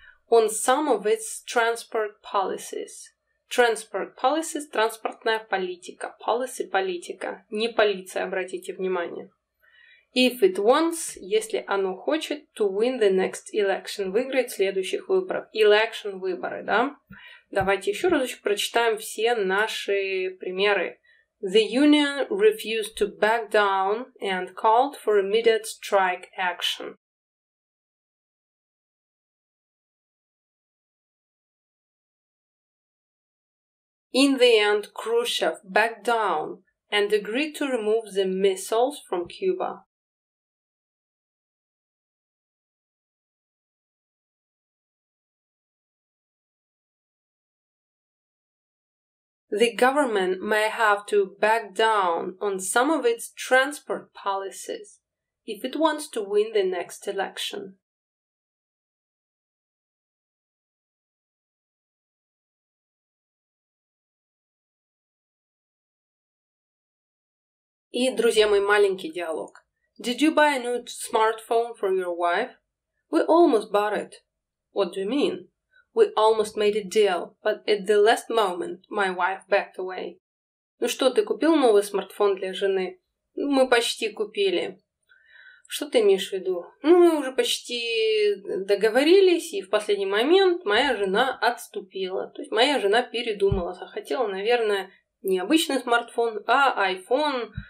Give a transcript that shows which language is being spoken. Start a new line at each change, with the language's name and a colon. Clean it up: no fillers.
English: On some of its transport policies. Transport policies,
Russian: транспортная политика. Policy, политика. Не полиция, обратите внимание.
English: If it wants,
Russian: если оно хочет,
English: to win the next election,
Russian: выиграть следующих выборов. Election, выборы, да? Давайте еще разочек прочитаем все наши примеры.
English: The union refused to back down and called for immediate strike action. In the end, Khrushchev backed down and agreed to remove the missiles from Cuba. The government may have to back down on some of its transport policies if it wants to win the next election.
Russian: И, друзья мои, маленький диалог.
English: Did you buy a new smartphone for your wife? We almost bought it. What do you mean? We almost made a deal, but at the last moment my wife backed away.
Russian: Ну что, ты купил новый смартфон для жены? Мы почти купили. Что ты имеешь в виду? Ну, мы уже почти договорились, и в последний момент моя жена отступила. То есть моя жена передумала, захотела, наверное, не обычный смартфон, а iPhone...